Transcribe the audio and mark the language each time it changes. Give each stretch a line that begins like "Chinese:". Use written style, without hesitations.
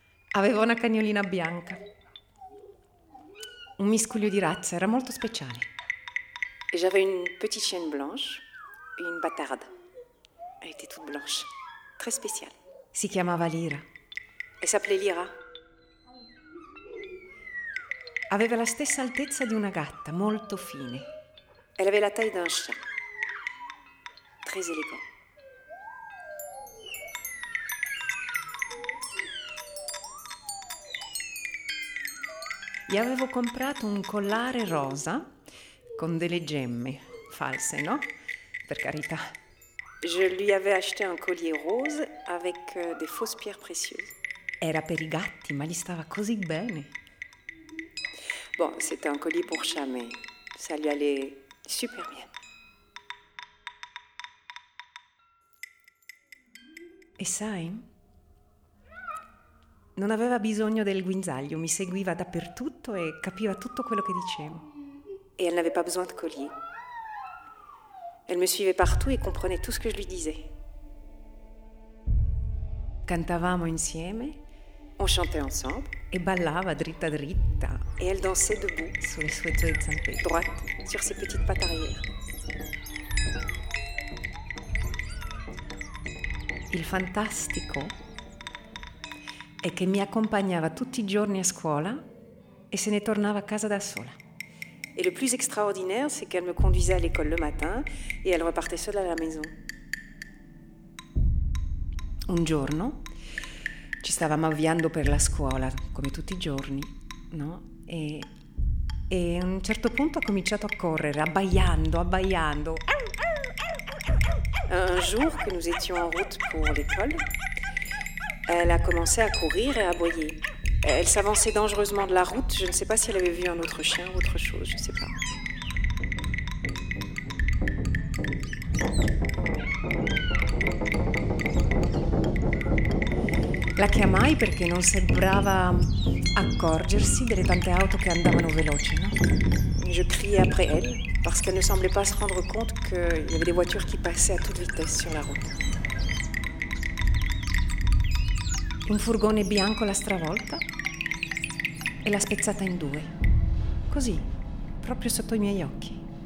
Italian: Avevo una cagnolina bianca. Un miscuglio di razza, era molto speciale.
French: Et j'avais une petite chienne blanche et une bâtarde. Elle était toute blanche, très spéciale.
Italian: Si chiamava Lira.
French: Elle s'appelait Lira.
Italian: Aveva la stessa altezza di una gatta, molto fine.
French: Elle avait la taille d'un chat, très élégant.
Italian: Gli avevo comprato un collare rosa con delle gemme false, no? Per carità.
French: Je lui avais acheté un collier rose avec des fausses pierres précieuses.
Italian: Era per i gatti, ma gli stava così bene.
French: Bon, c'était un collier pour chat, mais ça lui allait super bien.
Italian: E sai? Non aveva bisogno del guinzaglio, mi seguiva dappertutto e capiva tutto quello che dicevo.
French: E elle n'avait pas besoin de collier. Elle me suivait partout et comprenait tout ce que je lui disais.
Italian: Cantavamo insieme,
French: on chantait ensemble
Italian: et ballava dritta dritta.
French: Et elle dansait debout sur les
Italian: sue zampe,
French: droite sur ses petites pattes arrière.
Italian: Il fantastico è che mi accompagnava tutti i giorni a scuola e se ne tornava a casa da sola.
French: Et le plus extraordinaire, c'est qu'elle me conduisait à l'école le matin et elle repartait seule à la maison.
Italian: Un giorno, ci stavamo avviando per la scuola, come tutti i giorni, no? E a un certo punto ha cominciato a correre, abbaiando.
French: Un jour que nous étions en route pour l'école, elle a commencé à courir et à aboyer. Elle s'avançait dangereusement de la route. Je ne sais pas si elle avait vu un autre chien ou autre chose, je ne sais pas.
Italian: La chiamai perché non sembrava accorgersi delle tante auto che andavano veloci, no?
French: Je criai après elle parce qu'elle ne semblait pas se rendre compte qu'il y avait des voitures qui passaient à toute vitesse sur la route.
Italian: Un furgone bianco l'ha stravolta e l'ha spezzata in due. Così, proprio sotto i miei occhi.